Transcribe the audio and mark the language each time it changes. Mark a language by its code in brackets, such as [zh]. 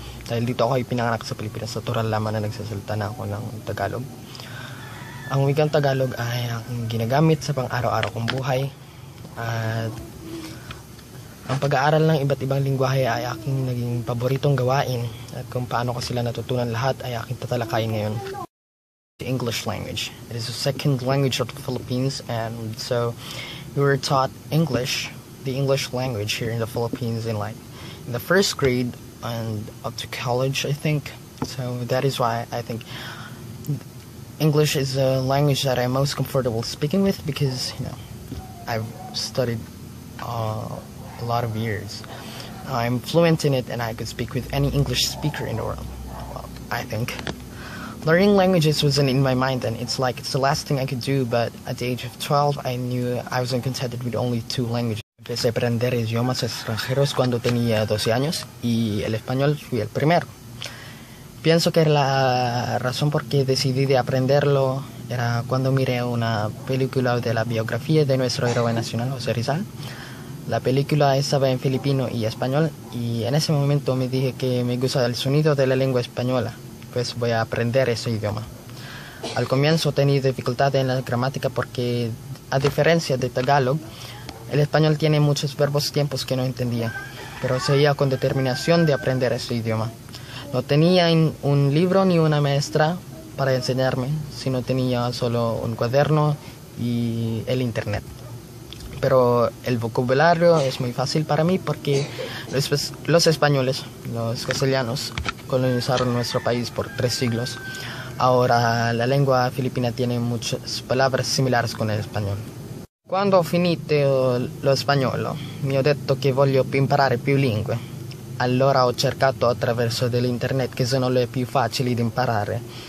[tl] Dahil dito ako ipinanganak sa Pilipinas, natural lamang na nagsasalita na ako ng Tagalog. Ang wikang Tagalog ay ang ginagamit sa pang-araw-araw kong buhay, at ang pag-aaral ng iba't ibang lingwahe ay aking naging paboritong gawain, at kung paano ko sila natutunan lahat ay aking tatalakayin ngayon. [en] The English language. It is the second language of the Philippines, and so we were taught English, the English language here in the Philippines in the first grade and up to college, I think. So that is why I think English is a language that I'm most comfortable speaking with, because, you know, I've studied a lot of years. I'm fluent in it, and I could speak with any English speaker in the world, well, I think. Learning languages wasn't in my mind, and it's like it's the last thing I could do, but at the age of 12, I knew I wasn't contented with only two languages. [es] Empecé a aprender idiomas extranjeros cuando tenía 12 años, y el español fui el primero. Pienso que la razón por qué decidí de aprenderlo era cuando miré una película de la biografía de nuestro héroe nacional, José Rizal. La película estaba en filipino y español, y en ese momento me dije que me gusta el sonido de la lengua española, pues voy a aprender ese idioma. Al comienzo tenía dificultad en la gramática porque, a diferencia de Tagalog, el español tiene muchos verbos tiempos que no entendía, pero seguía con determinación de aprender ese idioma. No tenía un libro ni una maestra para enseñarme, sino tenía solo un cuaderno y el internet. Pero el vocabulario es muy fácil para mí porque los españoles, los castellanos, colonizaron nuestro país por 3 siglos. Ahora la lengua filipina tiene muchas palabras similares con el español. Cuando [it] finito lo spagnolo, mi ho detto che voglio imparare più lingue. Allora ho cercato attraverso dell'internet che sono le più facili da imparare.